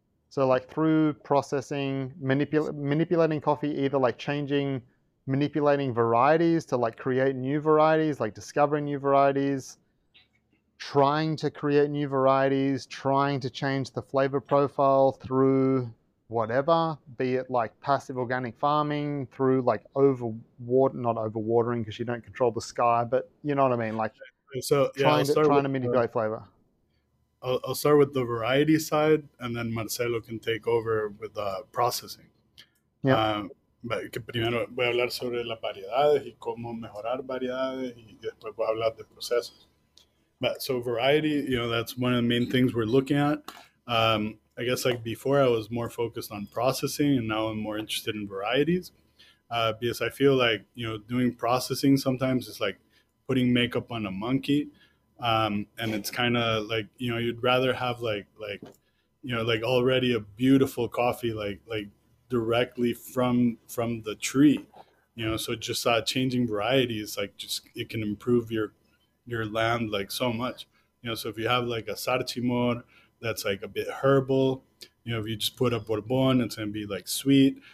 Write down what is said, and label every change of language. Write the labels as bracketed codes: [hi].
[en] So like through processing, manipulating coffee, either like changing, manipulating varieties to like create new varieties, like discovering new varieties, trying to create new varieties, trying to change the flavor profile through whatever, be it like passive organic farming, through like overwatering because you don't control the sky, but you know what I mean? Like so, yeah, trying to manipulate flavor. I'll start with the variety side and then Marcelo can take over with the processing. Yeah. [es] Primero voy a hablar sobre las variedades y cómo mejorar variedades y después voy a hablar de procesos. [en] But so variety, you know, that's one of the main things we're looking at. I guess like before I was more focused on processing and now I'm more interested in varieties because I feel like, you know, doing processing sometimes is like putting makeup on a monkey. And it's kind of like, you know, you'd rather have like, you know, like already a beautiful coffee, like directly from the tree, you know, so just changing varieties, like just, it can improve your land like so much, you know. So if you have like a Sarchimor that's like a bit herbal, you know, if you just put a Bourbon, it's gonna be like sweet.